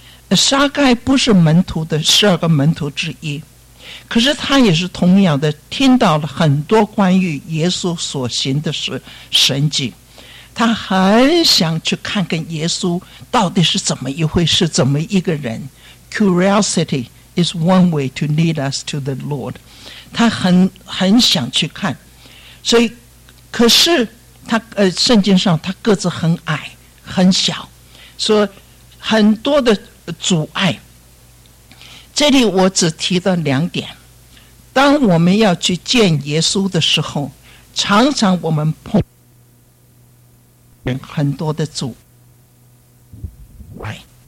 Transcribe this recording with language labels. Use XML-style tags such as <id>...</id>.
<zh>撒该不是门徒的十二个门徒之一，可是他也是同样的听到了很多关于耶稣所行的神迹，他很想去看看耶稣到底是怎么一回事，怎么一个人。</zh> <en>Curiosity is one way to lead us to the Lord，</en> <zh>他很想去看。所以可是他圣经上他个子很矮很小，所以很多的阻碍。这里我只提到两点，当我们要去见耶稣的时候，常常我们碰很多的阻碍。</zh>